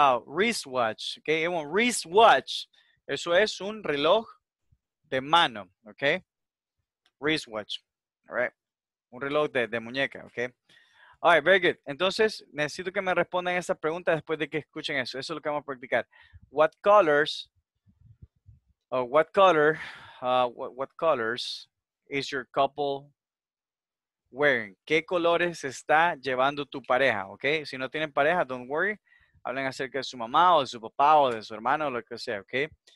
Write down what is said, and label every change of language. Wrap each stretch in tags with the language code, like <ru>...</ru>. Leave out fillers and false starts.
<en>Wristwatch. Okay, everyone, wristwatch.</en> <es>Eso es un reloj de mano, okay.</es> <en>Wristwatch, all right.</en> <es>Un reloj de muñeca,</es> <en>¿ok? All right, very good.</en> <es>Entonces, necesito que me respondan esa pregunta después de que escuchen eso. Eso es lo que vamos a practicar.</es> <en>What colors, what colors is your couple wearing?</en> <es>¿Qué colores está llevando tu pareja, ok? Si no tienen pareja,</es> <en>don't worry.</en> <es>Hablen acerca de su mamá o de su papá o de su hermano o lo que sea, ¿ok?</es>